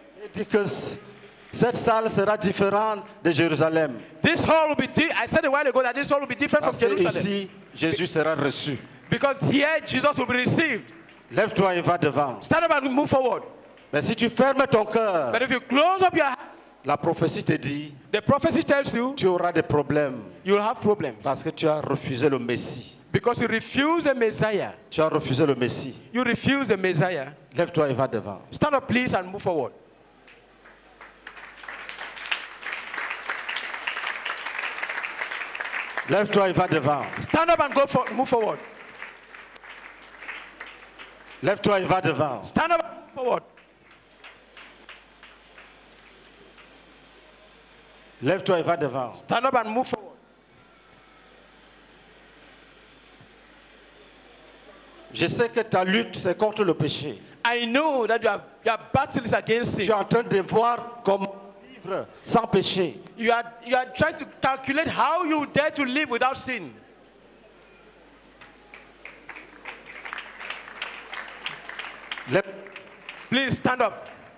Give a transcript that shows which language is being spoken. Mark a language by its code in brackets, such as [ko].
[fr] Il dit que cette salle sera différente de Jérusalem. [en] This hall will be I said a while ago that this hall will be different [fr] parce [en] from Jerusalem. [fr] Ici, Jésus sera reçu. [en] Because here Jesus will be received. [fr] Lève-toi et va devant. [en] Stand up and move forward. [fr] Mais si tu fermes ton cœur. [en] But if you close up your heart. [fr] La prophétie te dit. [en] The prophecy tells you. [fr] Tu auras des problèmes. [en] You will have problems. [fr] Parce que tu as refusé le Messie. [en] Because you refuse the Messiah. [fr] Tu as refusé le Messie. [en] You refuse the Messiah. [fr] Lève-toi et va devant. [en] Stand up, please, and move forward. [fr] Lève-toi et va devant. [en] Stand up and go for, move forward. [fr] Lève-toi et va devant. [en] Stand up forward. [fr] Lève-toi et va devant. [en] Stand up and move forward. [fr] Je sais que ta lutte c'est contre le péché. [en] I know that your battle is against it. [fr] Tu es en train de voir comment vivre sans péché. [en] You are trying to calculate how you dare to live without sin. Please stand up.